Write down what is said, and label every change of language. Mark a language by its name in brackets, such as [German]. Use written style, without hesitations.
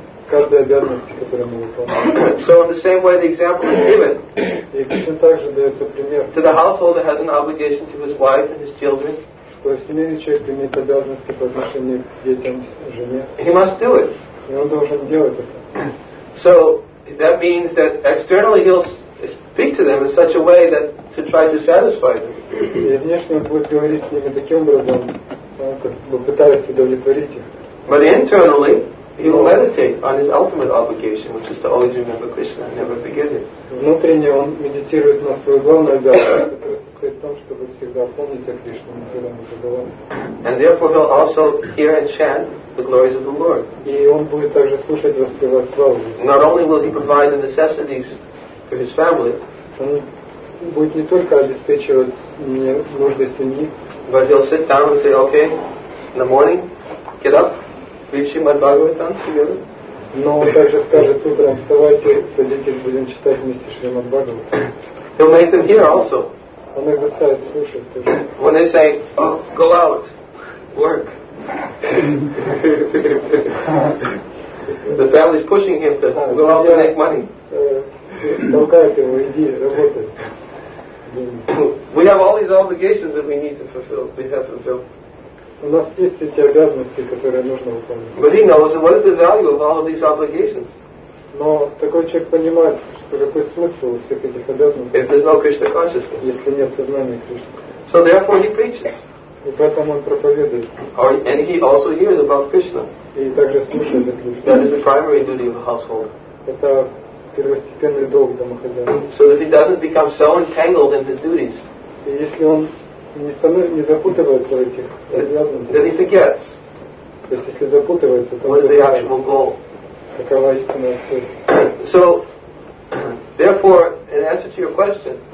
[Russian] Каждой обязанности, которую мы выполняем. [English] So in the same way the example is given. [Russian] И точно так же дается пример. [English] To the householder has an obligation to his wife and his children. [Russian] То есть семейный человек имеет обязанности по отношению к детям, жене. [English] He must do it. [Russian] И он должен делать это. [English] So that means that externally he'll speak to them in such a way that to try to satisfy them. [Russian] И внешне он будет говорить с ними таким образом, как бы пытаясь удовлетворить их. [English] But internally he will meditate on his ultimate obligation, which is to always remember Krishna and never forget him. [Russian] Внутренне он медитирует на свою главную обязанность, которая состоит в том, чтобы всегда помнить о Кришне, никогда не забывать. [English] And therefore he'll also hear and chant the glories of the Lord. [Russian] И он будет также слушать, воспевать славу. [English] Not only will he provide the necessities for his family, [Russian] он будет не только обеспечивать нужды семьи, [English] but he'll sit down and say, okay, in the morning, get up, read Shrimad Bhagavatam together. [Russian] Но он также скажет утром, вставайте, садитесь, будем читать вместе Шримад Бхагаватам. [English] He'll make them hear also. [Russian] Он их заставит слушать тоже. [English] When they say, oh, go out, work. The family's pushing him to go out and make money. [Russian] Толкает его, иди, работай. [English] We have all these obligations that we need to fulfill. We have to fulfill. [Russian] У нас есть эти обязанности, которые нужно выполнить. [English] But he knows what is the value of all of these obligations. [Russian] Но такой человек понимает, что какой смысл у всех этих обязанностей. [English] If there's no Krishna consciousness. [Russian] Если нет сознания Кришны. [English] So therefore he preaches. [Russian] И поэтому он проповедует. [English] And he also hears about Krishna. [Russian] И также слушает о Кришне. [English] That is the primary duty of the household. [Russian] Это первостепенный долг домохозяина. [English] So that he doesn't become so entangled in his duties. [Russian] И если он не запутывается в этих обязанностях. [English] Then he forgets. [Russian] То есть если запутывается, то [English] what is the actual goal? [Russian] Какова истинная цель? [English] So, therefore, in answer to your question,